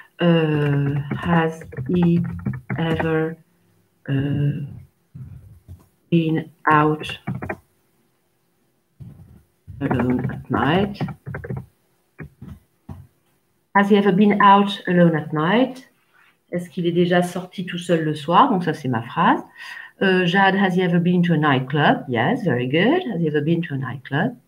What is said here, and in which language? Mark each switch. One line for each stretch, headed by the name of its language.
English: Has he ever been out alone at night? Has he ever been out alone at night?
French: Est-ce qu'il est déjà sorti tout seul le soir? Donc ça, c'est ma phrase.
English: Jade, has he ever been to a night club? Yes, very good. Has he ever been to a night club?